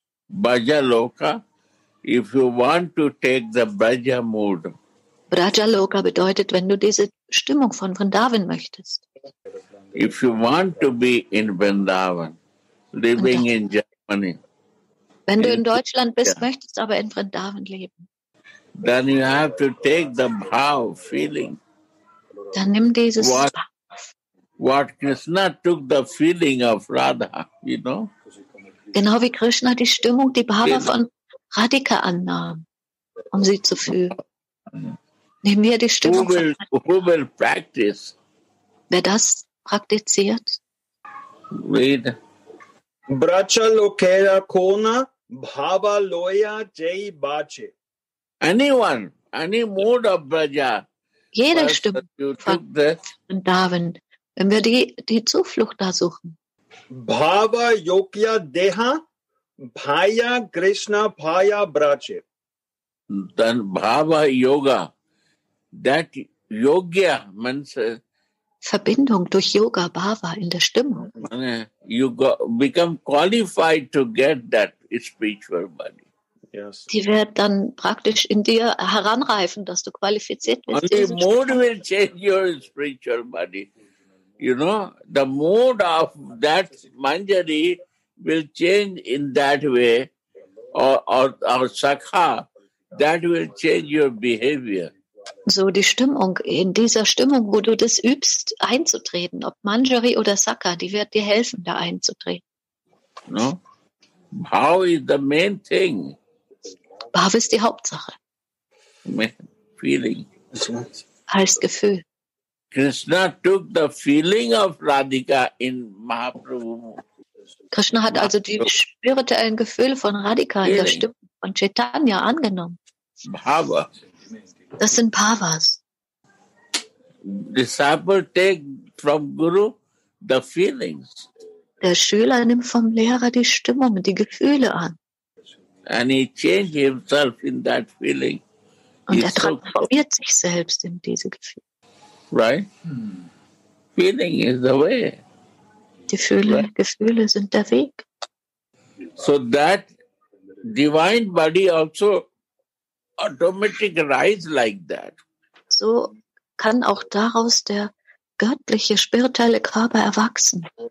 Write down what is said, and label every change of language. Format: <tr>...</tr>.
<en>Braja loka, if you want to take the braja mood.</en> <de>Braja loka bedeutet, wenn du diese Stimmung von Vrindavan möchtest.</de> <en>If you want to be in Vrindavan, living in Germany.</en> <de>Wenn du in Deutschland bist, möchtest aber in Vrindavan leben.</de> <en>Then you have to take the bhav feeling.</en> <de>Dann nimm dieses</de> <en>what Krishna took the feeling of Radha, you know?</en> <de>Genau wie Krishna die Stimmung, die Bhava von Radhika annahm, um sie zu fühlen. Nehmen wir die Stimmung</de> <en>Who will practice?</en> <de>Wer das praktiziert?</de> <en>Read.</en> <bn>Bracha lokera kona bhava loya jai bache.</bn> <en>Anyone, any mode of braja.</en> <de>Jede Stimmung von Davin, wenn wir die Zuflucht da suchen.</de> <bn>Bhava yokya deha bhaya krishna bhaya brache.</bn> <en>Then bhava yoga, that yogya means</en> <de>Verbindung durch Yoga, Bhava in der Stimmung.</de> <en>Become qualified to get that spiritual body. Yes.</en> <de>Die wird dann praktisch in dir heranreifen, dass du qualifiziert bist.</de> <en>Only mood will change your spiritual body. You know, the mood of that manjari will change in that way, or sakha, that will change your behavior.</en> <de>So die Stimmung, in dieser Stimmung, wo du das übst, einzutreten, ob Manjari oder Sakha, die wird dir helfen, da einzutreten.</de> <en>No? How is the main thing?</en> <de>Bhav ist die Hauptsache.</de> <en>Feeling.</en> <de>Als Gefühl.</de> <en>Krishna took the feeling of Radhika in Mahaprabhu.</en> <de>Krishna hat also die spirituellen Gefühle von Radhika feeling. In der Stimmung von Chaitanya angenommen.</de> <en>Bhava.</en> <de>Das sind Bhavas.</de> <en>Disciple take from Guru the feelings.</en> <de>Der Schüler nimmt vom Lehrer die Stimmung, die Gefühle an.</de> <en>And he change himself in that feeling.</en> <de>Und er transformiert sich selbst in diese Gefühle.</de> <en>Right? Feeling is the way.</en> <de>Gefühle sind der Weg.</de> <en>So that divine body also automatic rise like that.</en> <de>So kann auch daraus der göttliche spirituelle Körper erwachsen.</de>